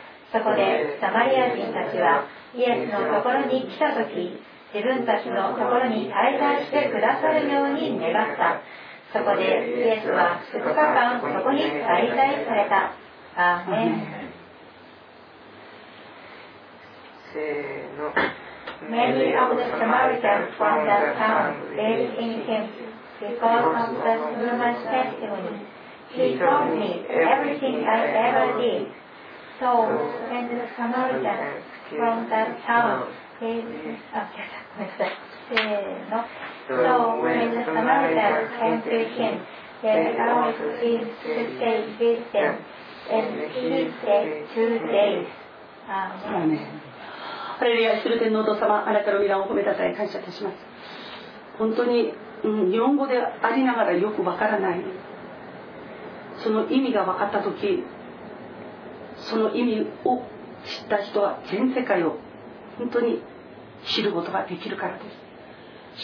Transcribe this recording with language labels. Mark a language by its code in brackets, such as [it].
[ja] そこでサマリア人たちはイエスのところに来た時自分たちのところに滞在してくださるように願った。そこでイエスは2日間そこに滞在された。アーメン。 [en] Many of the Samaritans from that town believed in him because of the woman's testimony. He told me everything I ever did. So when the Samaritans from that town came to him, they asked him to stay with them, and he stayed 2 days. Amen. ハレルヤ。 [ja] すべての王様、あなたの御名を褒めたたえ感謝いたします。本当に、日本語でありながらよくわからない、その意味が分かったとき、その意味を知った人は全世界を本当に知ることができるからです。